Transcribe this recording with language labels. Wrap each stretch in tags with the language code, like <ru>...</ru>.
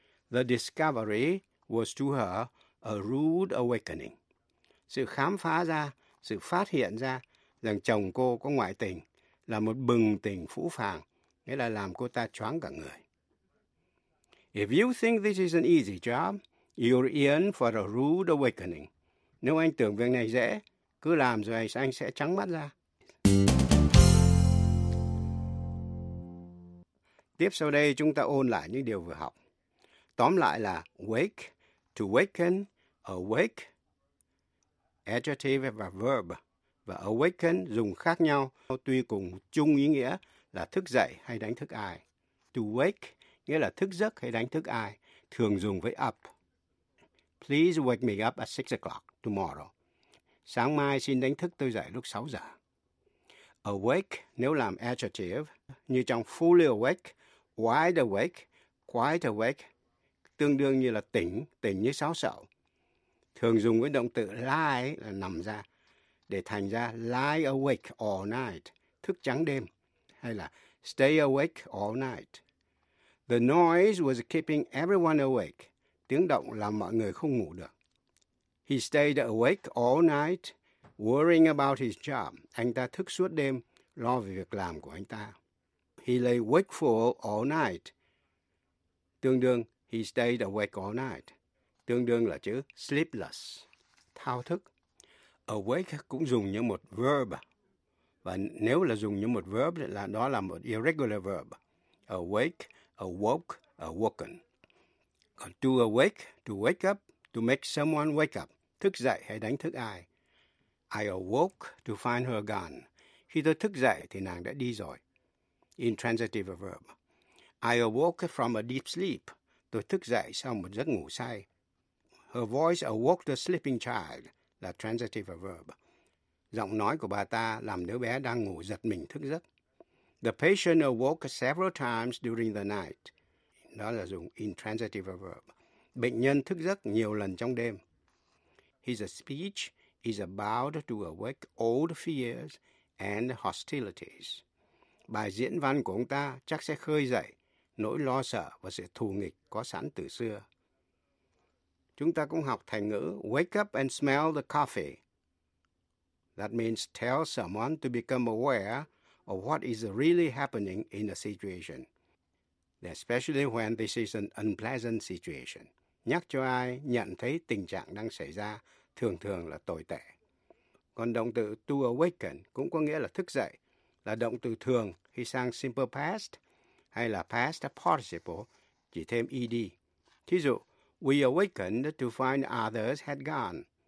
<en>The discovery was to her a rude awakening.</en> <vi>Sự khám phá ra, sự phát hiện ra rằng chồng cô có ngoại tình là một bừng tỉnh phũ phàng, nghĩa là làm cô ta choáng cả người.</vi> <en>If you think this is an easy job, you're in for a rude awakening.</en> <vi>Nếu anh tưởng việc này dễ, cứ làm rồi anh sẽ trắng mắt ra. Tiếp sau đây chúng ta ôn lại những điều vừa học. Tóm lại là wake, to waken, awake, adjective và verb. Và awaken dùng khác nhau, tuy cùng chung ý nghĩa là thức dậy hay đánh thức ai. To wake nghĩa là thức giấc hay đánh thức ai, thường dùng với up.</vi> <en>Please wake me up at 6 o'clock tomorrow.</en> <vi>Sáng mai xin đánh thức tôi dậy lúc 6 giờ. Awake nếu làm adjective, như trong fully awake, wide awake, quite awake, tương đương như là tỉnh, tỉnh như sáo sậu. Thường dùng với động từ lie là nằm ra, để thành ra lie awake all night, thức trắng đêm, hay là stay awake all night.</vi> <en>The noise was keeping everyone awake.</en> <vi>Tiếng động làm mọi người không ngủ được.</vi> <en>He stayed awake all night, worrying about his job.</en> <vi>Anh ta thức suốt đêm, lo về việc làm của anh ta.</vi> <en>He lay wakeful all night.</en> <vi>Tương đương,</vi> <en>he stayed awake all night.</en> <vi>Tương đương là chữ sleepless, thao thức. Awake cũng dùng như một verb. Và nếu là dùng như một verb, là đó là một irregular verb.</vi> <en>Awake, awoke, awoken. Còn to awake, to wake up, to make someone wake up,</en> <vi>thức dậy hay đánh thức ai.</vi> <en>I awoke to find her gone.</en> <vi>Khi tôi thức dậy thì nàng đã đi rồi.</vi> <en>Intransitive verb. I awoke from a deep sleep.</en> <vi>Tôi thức dậy sau một giấc ngủ say.</vi> <en>Her voice awoke the sleeping child.</en> <vi>Là transitive verb. Giọng nói của bà ta làm đứa bé đang ngủ giật mình thức giấc.</vi> <en>The patient awoke several times during the night.</en> <vi>Đó là dùng intransitive verb. Bệnh nhân thức giấc nhiều lần trong đêm.</vi> <en>His speech is about to awake old fears and hostilities.</en> <vi>Bài diễn văn của ông ta chắc sẽ khơi dậy nỗi lo sợ và sự thù nghịch có sẵn từ xưa. Chúng ta cũng học thành ngữ</vi> <en>wake up and smell the coffee. That means tell someone to become aware of what is really happening in a situation, especially when this is an unpleasant situation.</en> <vi>Nhắc cho ai nhận thấy tình trạng đang xảy ra thường thường là tồi tệ. Còn động từ to awaken cũng có nghĩa là thức dậy, là động từ thường khi sang simple past hay là past participle, chỉ thêm ed. Thí dụ,</vi> <en>we awakened to find others had gone.</en>